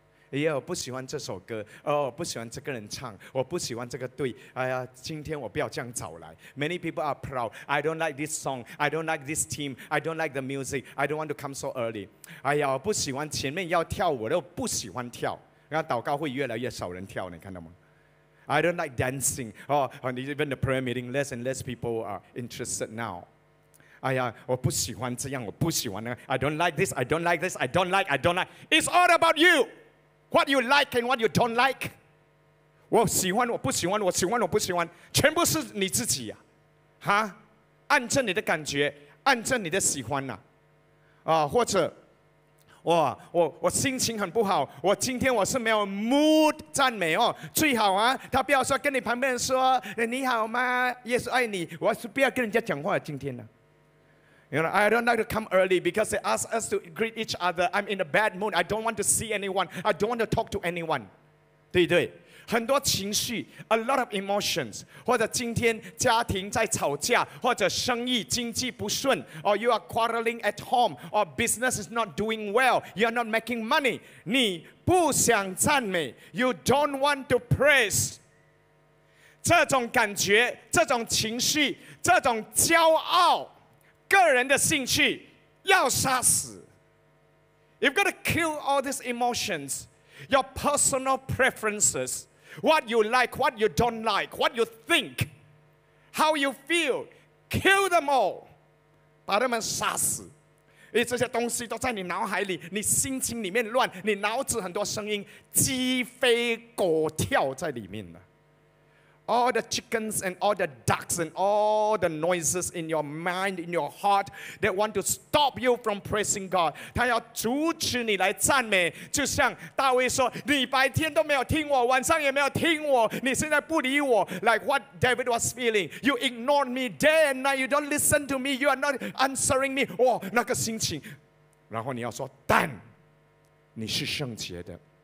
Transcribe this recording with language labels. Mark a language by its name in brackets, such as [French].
[Chinese] 哎呀，我不喜欢这首歌，哦，我不喜欢这个人唱，我不喜欢这个队，哎呀，今天我不要这样早来。 [English] Many people are proud. I don't like this song. I don't like this team. I don't like the music. I don't want to come so early. [Chinese] 哎呀，我不喜欢前面要跳舞，我都不喜欢跳。那祷告会越来越少人跳，你看到吗？ [English] I don't like dancing. Oh, and even the prayer meeting, less and less people are interested now. [Chinese] 哎呀，我不喜欢这样，我不喜欢那个。 [English] I don't like this. I don't like this. I don't like. I don't like. It's all about you. What you like and what you don't like. [Chinese] 我喜欢我不喜欢我喜欢我不喜欢全部是你自己啊。哈，按着你的感觉按着你的喜欢啊。或者我心情很不好我今天我是没有 mood 赞美哦。最好啊他不要说跟你旁边说你好吗耶稣爱你我是不要跟人家讲话今天啊。 [English] You know, I don't like to come early because they ask us to greet each other. I'm in a bad mood. I don't want to see anyone. I don't want to talk to anyone. [Chinese] 对对，很多情绪 [English] a lot of emotions. [Chinese] 或者今天家庭在吵架，或者生意经济不顺， [English] or you are quarreling at home, or business is not doing well. You are not making money. [Chinese] 你不想赞美， [English] you don't want to praise. [Chinese] 这种感觉，这种情绪，这种骄傲。个人的兴趣要杀死。 [English] You've got to kill all these emotions, your personal preferences, what you like, what you don't like, what you think, how you feel, kill them all. [Chinese] 把他们杀死。因为这些东西都在你脑海里，你心情里面乱，你脑子很多声音，鸡飞狗跳在里面了。 [English] All the chickens and all the ducks and all the noises in your mind, in your heart, that want to stop you from praising God. [Chinese] 他要阻止你来赞美。就像大卫说，你白天都没有听我，晚上也没有听我，你现在不理我。 [English] Like what David was feeling. You ignore me day and night. You don't listen to me. You are not answering me. [Chinese] 哇，那个心情。然后你要说，但你是圣洁的。